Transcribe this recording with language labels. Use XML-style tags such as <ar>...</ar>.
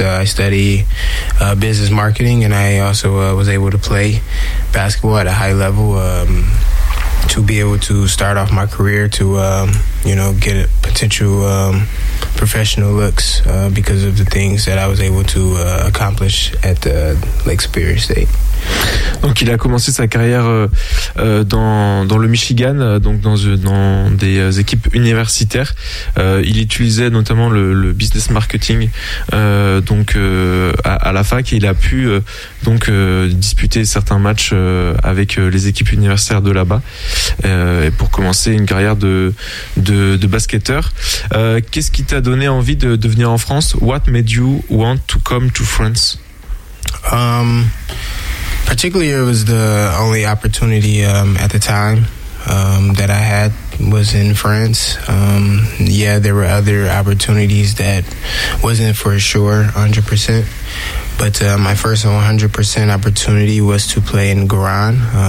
<en>I study business marketing, and I also was able to play basketball at a high level to be able to start off my career to get potential professional looks because of the things that I was able to accomplish at the Lake Superior State.</en> <fr>Donc il a commencé sa carrière dans le Michigan, donc dans des équipes universitaires. Il utilisait notamment le business marketing à la fac. Il a pu disputer certains matchs avec les équipes universitaires de là-bas pour commencer une carrière de basketteur. Qu'est-ce qui t'a donné envie de venir en France?</fr> <en>What made you want to come to France? Particularly, it was the only opportunity at the time that I had was in France. Yeah, there were other opportunities that wasn't for sure 100%, but my first 100% opportunity was to play in Grand.</en>